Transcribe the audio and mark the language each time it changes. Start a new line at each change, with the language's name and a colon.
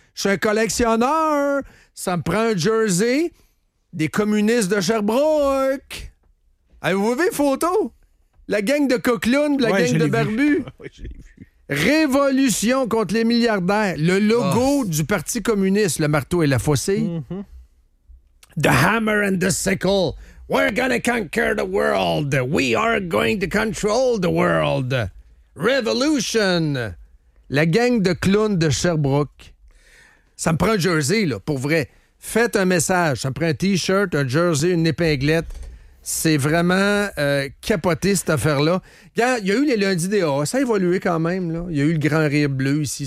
French: Je suis un collectionneur. Ça me prend un jersey des communistes de Sherbrooke. Avez-vous vu les photos? La gang de coquelounes, la gang de barbus. Ouais, j'ai vu. Révolution contre les milliardaires. Le logo du Parti communiste, le marteau et la faucille. Mm-hmm.
English: The hammer and the sickle. We're gonna conquer the world. We are going to control the world.
French: Revolution. La gang de clowns de Sherbrooke. Ça me prend un jersey, là, pour vrai. Faites un message. Ça me prend un T-shirt, un jersey, une épinglette. C'est vraiment capoté, cette affaire-là. Regarde, il y a eu les lundis des A. Ça a évolué quand même. Là. Il y a eu le Grand Rire Bleu ici.